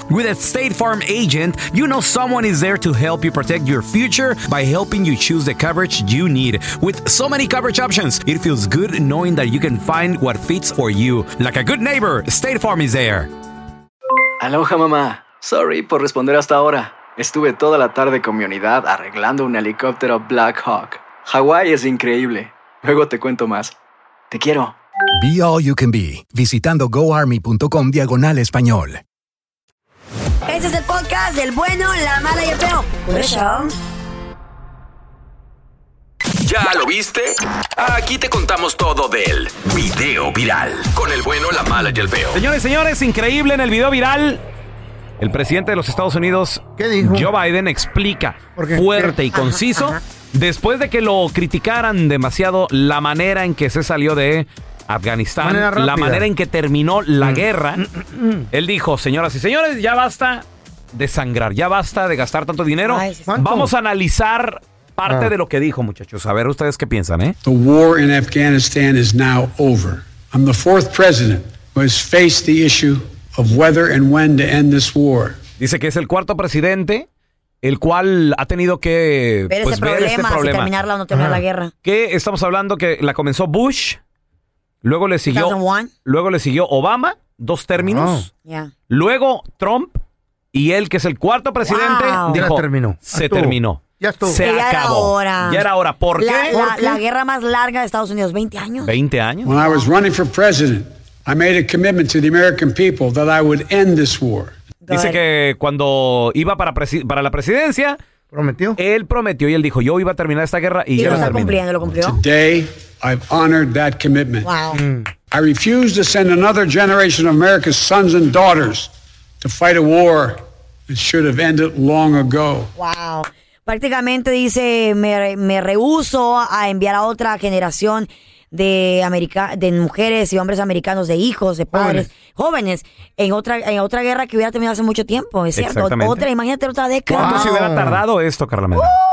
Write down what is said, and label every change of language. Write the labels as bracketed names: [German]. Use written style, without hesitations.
[English] With a State Farm agent, you know someone is there to help you protect your future by helping you choose the coverage you need. With so many coverage options, it feels good knowing that you can find what fits for you. Like a good neighbor, State Farm is there. [Spanish] Aloha, mamá. Sorry por responder hasta ahora. Estuve toda la tarde con mi unidad arreglando un helicóptero Black Hawk. Hawái es increíble. Luego te cuento más. Te quiero. [English] Be all you can be. [Spanish] Visitando [English] goarmy.com/español. [Spanish] Este es el podcast del bueno, la mala y el feo. Por eso. ¿Ya lo viste? Aquí te contamos todo del video viral. Con el bueno, la mala y el feo. Señores, señores, increíble en el video viral. El presidente de los Estados Unidos, ¿qué dijo? Joe Biden, explica fuerte y conciso. Ajá. Después de que lo criticaran demasiado la manera en que se salió de Afganistán. La manera en que terminó la guerra. Él dijo: señoras y señores, ya basta de sangrar. Ya basta de gastar tanto dinero. Ay, vamos a analizar parte de lo que dijo, muchachos. A ver ustedes qué piensan, ¿eh? [English] The war in Afghanistan is now over. I'm the fourth president who has faced the issue of whether and when to end this war. [Spanish] Dice que es el cuarto presidente el cual ha tenido que ver, pues, ese problema. Si terminarla o no terminar la guerra. Que estamos hablando que la comenzó Bush, luego le siguió 2001. Luego le siguió Obama, dos términos. Luego Trump, y él, que es el cuarto presidente, dijo, se terminó. Ya estuvo. Ya era hora. ¿Por qué? La guerra más larga de Estados Unidos. 20 años. 20 años. [English] When I was running for president, I made a commitment to the American people that I would end this war. [Spanish] Dice que cuando iba para la presidencia, prometió. Él prometió y él dijo: yo iba a terminar esta guerra y ya lo está cumpliendo. Lo cumplió. [English] Today, I've honored that commitment. Wow. I refuse to send another generation of America's sons and daughters to fight a war that should have ended long ago. Wow. [Spanish] Prácticamente dice, me rehúso a enviar a otra generación de América, de mujeres y hombres americanos, de hijos, de padres, jóvenes, en otra guerra que hubiera terminado hace mucho tiempo, es cierto. Otra, imagínate otra década. ¿Cuánto se hubiera tardado esto, Carla Medina?